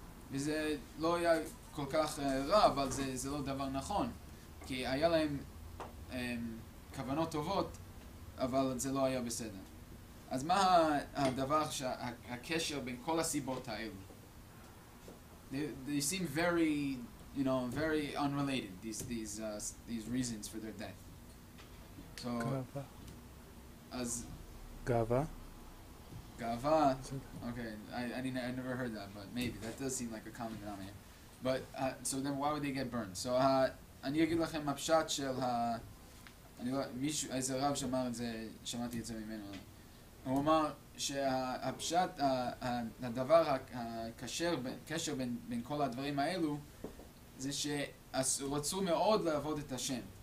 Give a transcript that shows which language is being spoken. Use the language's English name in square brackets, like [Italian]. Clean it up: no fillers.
[Hebrew] וזה לא היה כל כך רע, אבל זה לא דבר נכון. כי היה להם כוונות טובות, אבל זה לא היה בסדר. אז מה הדבר, הקשר בין כל הסיבות האלו? [English] They seem very, you know, very unrelated, these reasons for their death. So, as Gava? Gava? Okay, I never heard that, but maybe. That does seem like a common denominator. But, so then why would they get burned? [Hebrew] So, אני אגיד לכם הפשט של מישהו, איזה רב שאמר את זה, שמעתי את זה ממנו. הוא אמר שהפשט, הדבר הקשר בין כל הדברים האלו, זה שרצו מאוד לעבוד את השם.